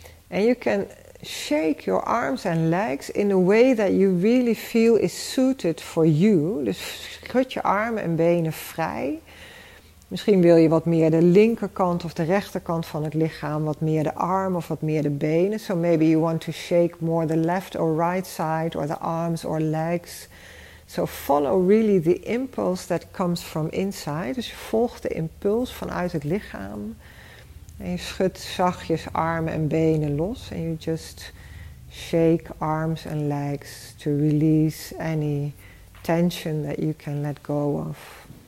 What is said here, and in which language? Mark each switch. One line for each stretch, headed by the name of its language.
English: And you can shake your arms and legs in a way that you really feel is suited for you.
Dutch: Dus schud je armen en benen vrij. Misschien wil je wat meer de linkerkant of de rechterkant van het lichaam, wat meer de armen of wat meer de benen.
English: So maybe you want to shake more the left or right side or the arms or legs. So follow really the impulse that comes from inside.
Dutch: Dus volg de impuls vanuit het lichaam. En je schudt zachtjes armen en benen los.
English: En you just shake arms and legs to release any tension that you can let go of.